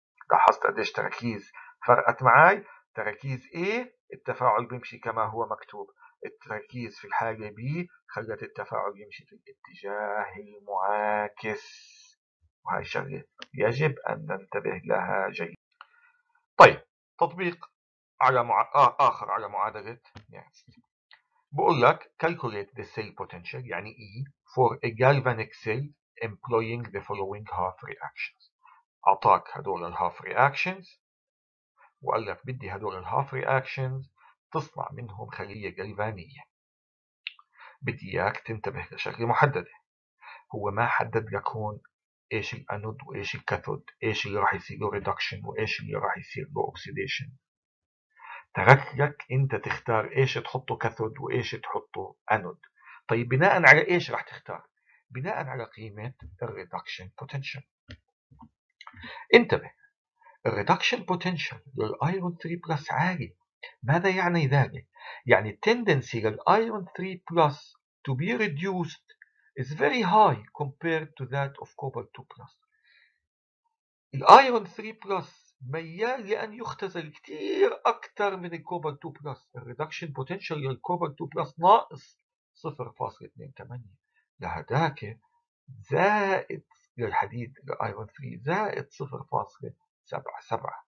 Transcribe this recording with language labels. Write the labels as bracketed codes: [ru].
[ar] لاحظت قديش تركيز فرقت معاي؟ تركيز A التفاعل بيمشي كما هو مكتوب، التركيز في الحاجة B خلت التفاعل يمشي في الاتجاه المعاكس، وهي شغلة يجب أن ننتبه لها جيد. طيب تطبيق على آخر على معادلة نيرس، بقول لك [en] calculate the cell potential [ar] يعني [en] E for a galvanic cell employing the following half reactions. [ar] أعطاك هدول الهاف reactions وقال لك بدي هدول الهاف رياكشنز تصنع منهم خلية جلفانية. بدي اياك تنتبه لشغلة محددة، هو ما حدد لك هون ايش الانود وايش الكاثود، ايش اللي راح يصير له ريدكشن وايش اللي راح يصير له اوكسيديشن. ترك لك انت تختار ايش تحطه كاثود وايش تحطه انود. طيب بناء على ايش راح تختار؟ بناء على قيمة الريدكشن بوتنشال. انتبه، الريدكشن بوتنشال للايرون 3 بلس عالي. ماذا يعني ذلك؟ يعني التندنسي للايرون 3 بلس [en] to be reduced is very high compared to that of cobalt 2 [ar] بلس. الايرون 3 بلس ميال لان يختزل كثير اكثر من الكوبالت 2 بلس. الريدكشن بوتنشال للكوبالت 2 بلس ناقص 0.28، لهداك زائد للحديد الايرون 3 زائد 0.77.